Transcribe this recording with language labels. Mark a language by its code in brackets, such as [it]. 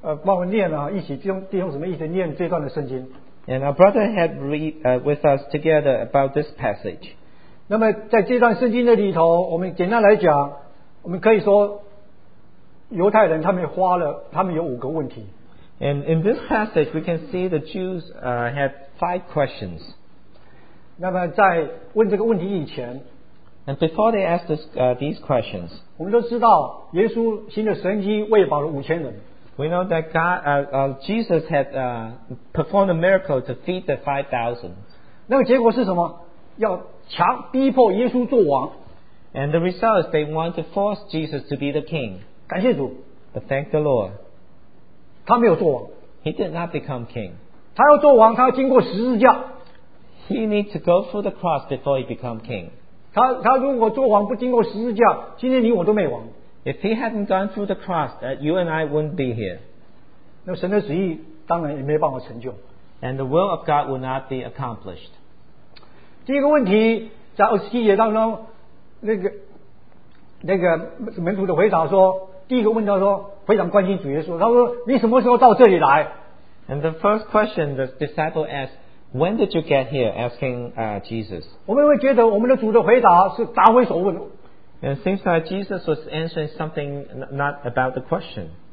[zh] 很快的，今天将弟兄帮我念了，一起弟兄姊妹一起念这段的圣经。 [en] And our brother had read with us together about this passage. [zh] 那么在这段圣经的里头，我们简单来讲，我们可以说犹太人他们有五个问题。 [en] And in this passage, we can see the Jews had five questions. [zh] 那么在问这个问题以前, [en] and before they asked this, these questions, [zh] 我们都知道耶稣行了神迹喂饱了5000人。 [en] We know that God, Jesus had performed a miracle to feed the 5,000. [zh] 那个结果是什么?要强逼迫耶稣做王。 [en] And the result is they want to force Jesus to be the king. [zh] 感谢主。 [en] But thank the Lord. [zh] 他没有做王, [en] he did not become king. [zh] 他要做王, 他要经过十字架, [en] he need to go through the cross before he become king. [zh] 他如果做王, 不经过十字架, 今天你我都没王。 [en] If he hadn't gone through the cross, you and I wouldn't be here. [zh] 那神的旨意, 当然也没办法成就。 [en] And the will of God would not be accomplished. [zh] 第一个问题, 在27节当中, 那个门徒的回答说, 第一个问题他说, 非常关心主耶稣，他说：“你什么时候到这里来？” [en] And the first question the disciple asked, "When did you get here?" Asking Jesus. [zh] 我们会觉得我们的主的回答是答非所问。 [en] And it seems like Jesus was answering something not about the question.